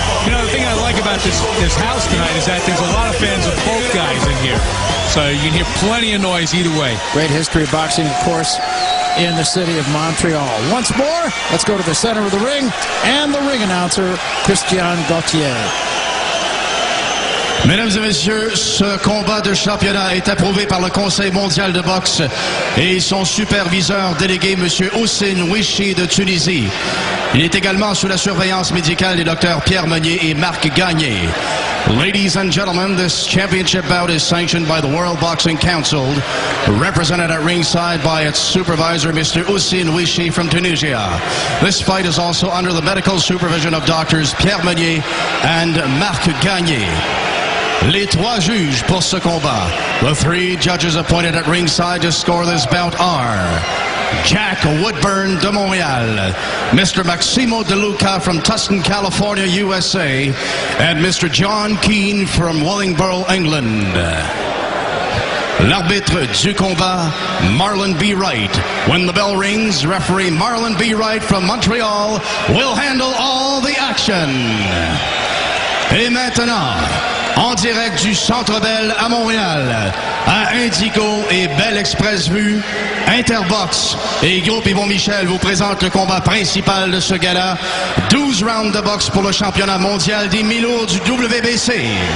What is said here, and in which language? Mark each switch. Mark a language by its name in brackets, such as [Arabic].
[English] You know, the thing I like about this house tonight is that there's a lot of fans of both guys in here. So you can hear plenty of noise either way. Great history of boxing, of course, in the city of Montreal. Once more, let's go to the center of the ring and the ring announcer, Christian Gauthier. [French] Mesdames et messieurs, ce combat de championnat est approuvé par le Conseil mondial de boxe et son superviseur délégué, Monsieur Houssin Ouichi de Tunisie. Il est également sous la surveillance médicale des docteurs Pierre Meunier et Marc Gagné. [English] Ladies and gentlemen, this championship bout is sanctioned by the World Boxing Council, represented at ringside by its supervisor, Mr. Houssin Ouichi from Tunisia. This fight is also under the medical supervision of doctors Pierre Meunier and Marc Gagné. [French] Les trois juges pour ce combat. [English] The three judges appointed at ringside to score this bout are Jack Woodburn de Montreal, Mr. Maximo De Luca from Tustin, California, USA, and Mr. [French] John Keane [English] from Wellingboro, England. [French] L'arbitre du combat, Marlon B. Wright. [English] When the bell rings, referee Marlon B. Wright from Montreal will handle all the action. [French] Et maintenant, en direct du Centre Bell à Montréal, à Indigo et Bell Express Vue, Interbox et Groupe Yvon Michel vous présentent le combat principal de ce gala, 12 rounds de boxe pour le championnat mondial des milours du WBC.